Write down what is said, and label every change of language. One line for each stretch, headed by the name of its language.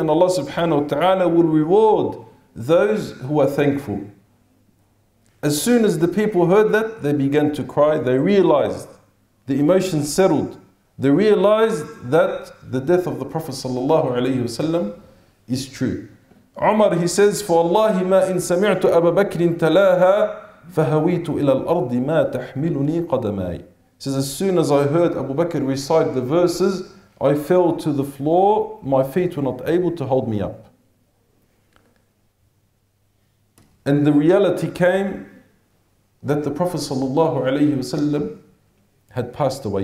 English: And Allah subhanahu wa ta'ala will reward those who are thankful. As soon as the people heard that, they began to cry. They realized, the emotion settled. They realized that the death of the Prophet sallallahu alayhi wasallam is true. Umar, he says,
Arabic: فَوَاللَّهِ مَا إِن سَمِعْتُ أَبَا بَكْرٍ تَلَاهَا فَهَوِيتُ إِلَى الْأَرْضِ مَا تَحْمِلُنِي قَدَمَايِ.
English: Says, as soon as I heard Abu Bakr recite the verses, I fell to the floor, my feet were not able to hold me up. And the reality came that the Prophet sallallahu alayhi wasallam had passed away.